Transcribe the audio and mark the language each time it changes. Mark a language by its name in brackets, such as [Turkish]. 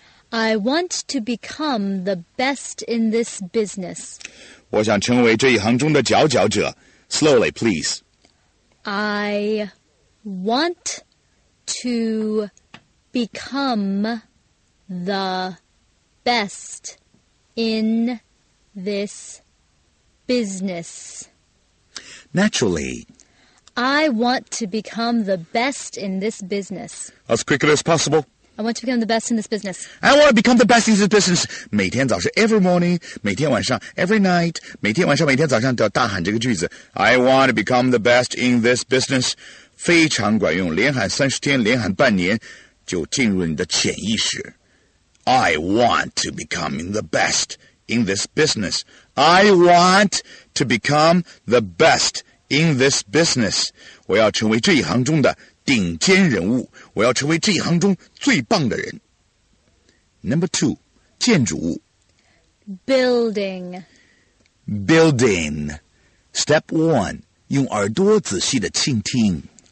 [English] I want to become the best in this business。 [Chinese] 我想成为这一行中的佼佼者。 [English] Slowly, please. I want to become the best in this business. Naturally. I want to become the best in this business. As quickly as possible. I want to become the best in this business. I want to become the best in this business. [Chinese] 每天早上 [English] every morning, [Chinese] 每天晚上 [English] every night, [Chinese] 每天晚上每天早上都要大喊这个句子。 [English] I want to become the best in this business. [Chinese] 非常管用，连喊三十天，连喊半年，就进入你的潜意识。 [English] I want to become the best in this business. I want to become the best in this business. [Chinese] 我要成为这一行中的顶尖人物。我要成为这一行中最棒的人。 [English] Number two, 建筑物。 Building. Building. Step one, [Chinese] 用耳朵仔细地倾听。